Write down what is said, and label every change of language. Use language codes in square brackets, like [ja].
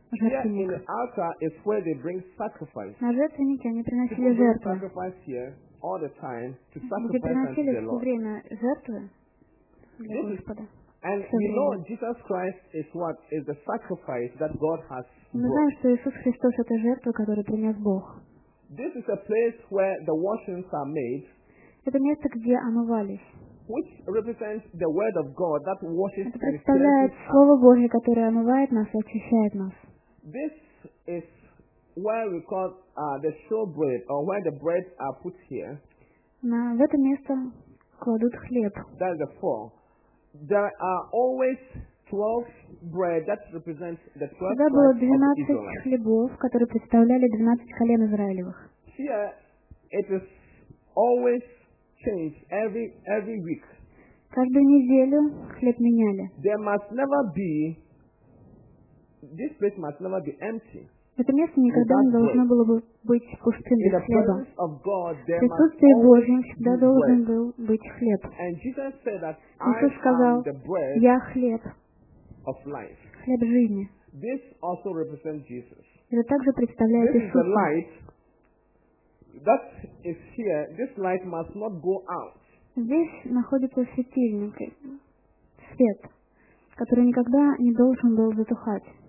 [en] Here in the altar is where they bring sacrifice. [ru] На жертвеннике они приносили жертву. [en] Sacrifice here all the time to sacrifice unto the Lord. [ru] Где приносили все время жертвы для Господа. [en] And you know Jesus Christ is what is the sacrifice that God has brought. [ru] Мы знаем, что Иисус Христос это жертва, которую принес Бог. [en] This is a place where the washings are made. [ru] Это место, где омывались. [en] Which represents the word of God that washes. [ru] Это представляет слово Божье, которое омывает нас и очищает нас. [en] This is where we call the showbread, or where the bread are put here. [ru] На это место кладут хлеб. [en] That is the four. There are always 12 bread that represents the 12 tribes. [ru] Тогда было 12 хлебов, которые представляли 12 колен Израилевых. [en] Here it is always change every week. [ru] Каждую неделю хлеб меняли. [en] There must never be, this place must never be empty. [ru] Это место никогда не должно было бы быть пустым без хлеба. [en] In the presence of God, there [ru] Присутствие Божье всегда должен был быть хлеб. [en] And Jesus said that I am the bread. [ru] Я хлеб. [en] Of life. [ru] Хлеб жизни. [en] This also represents Jesus. [ru] Это также представляет Иисуса. [en] That is here. This light must not go out. [ru] Здесь находится светильник, свет, который никогда не должен был затухать.